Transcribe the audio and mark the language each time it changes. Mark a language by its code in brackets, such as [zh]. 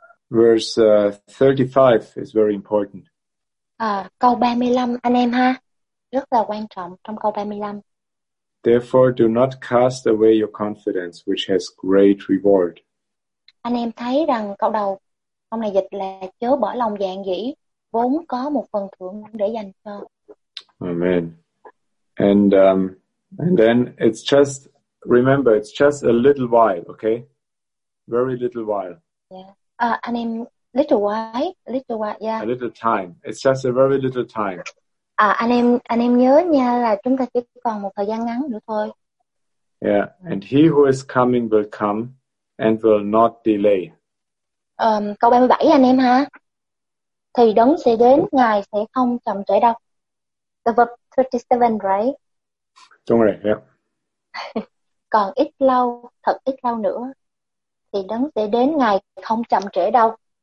[en] Verse 35 is very important. [vi] Câu 35 anh em ha. Rất là quan trọng trong câu 35. [en] Therefore do not cast away your confidence which has great reward. [vi] Anh em thấy rằng câu đầu ông này dịch là chớ bỏ lòng dạn dĩ, vốn có một phần thưởng để dành cho. [en] Amen. And then it's just, remember, it's just a little while, okay? Very little while. Yeah. [vi] Anh em, [en] little while, yeah. A little time. It's just a very little time. [vi] Anh em nhớ nha là chúng ta chỉ còn một thời gian ngắn nữa thôi. [en] Yeah, and he who is coming will come and will not delay. [vi] Câu 37 anh em ha. Thì Đấng sẽ đến, Ngài sẽ không chậm trễ đâu. [en] The verb 37, right? [vi] Đúng rồi, yeah. Còn ít lâu, thật ít lâu nữa, thì Đấng sẽ đến, Ngài không chậm trễ đâu.